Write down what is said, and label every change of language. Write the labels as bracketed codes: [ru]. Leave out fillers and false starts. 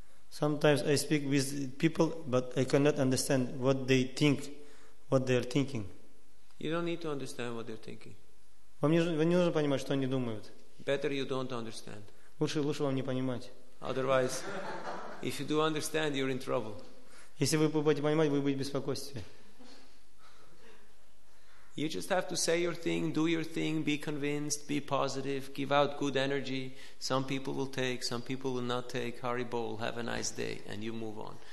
[en] Sometimes I speak with people, but I cannot understand what they think, what they are thinking. You don't need to understand what they're thinking. [ru] Вам не нужно понимать, что они думают. [en] Better you don't understand. [ru] Лучше вам не понимать. [en] Otherwise, if you do understand, you're in trouble. [ru] Если вы будете понимать, вы будете в беспокойстве. [en] You just have to say your thing, do your thing, be convinced, be positive, give out good energy. Some people will take, some people will not take. Hari Bol, have a nice day, and you move on.